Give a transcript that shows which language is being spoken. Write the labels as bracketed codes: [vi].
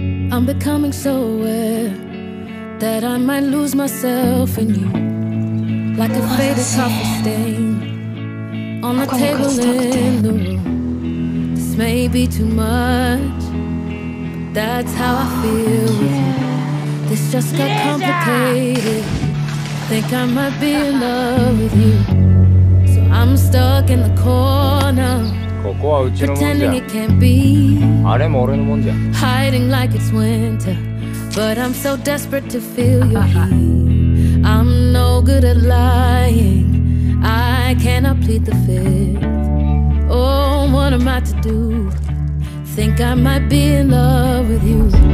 [en] I'm becoming so aware that I might lose myself in you like a faded coffee stain on the table in the room. This may be too much, that's how I feel. This just got complicated. Think I might be in love with you, so I'm stuck in the corner. [ja] ここはうちのもんじゃ、あれも俺のもんじゃ。 [en] Hiding like it's winter, but I'm so desperate to feel your heat. I'm no good at lying, I cannot plead the fifth. Oh, what am I to do? Think I might be in love with you.